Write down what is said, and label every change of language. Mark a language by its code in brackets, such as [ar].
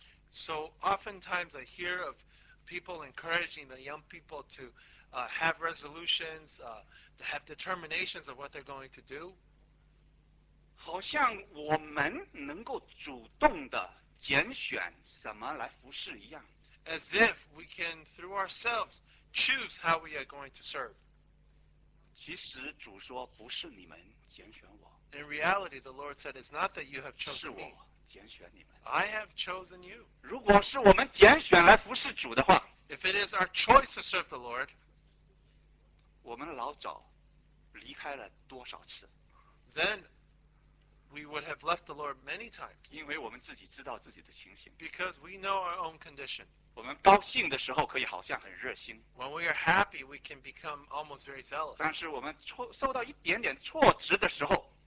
[en] So oftentimes I hear of people encouraging the young people to have resolutions, to have determinations of what they're going to do. [zh] 好像我们能够主动的拣选什么来服侍一样。 [en] As if we can through ourselves choose how we are going to serve. [zh] 其实主说不是你们拣选我。 [en] In reality, the Lord said, it's not that you have chosen me. [zh] 拣选你们。 [en] I have chosen you. [zh] 如果是我们拣选来服侍主的话， [en] If it is our choice to serve the Lord, [zh] 我们老早离开了多少次？ [en] Then we would have left the Lord many times. [zh] 因为我们自己知道自己的情形。 [en] Because we know our own condition. [zh] 我们高兴的时候可以好像很热心。 [en] When we are happy, we can become almost very zealous. [zh] 但是我们受到一点点挫折的时候，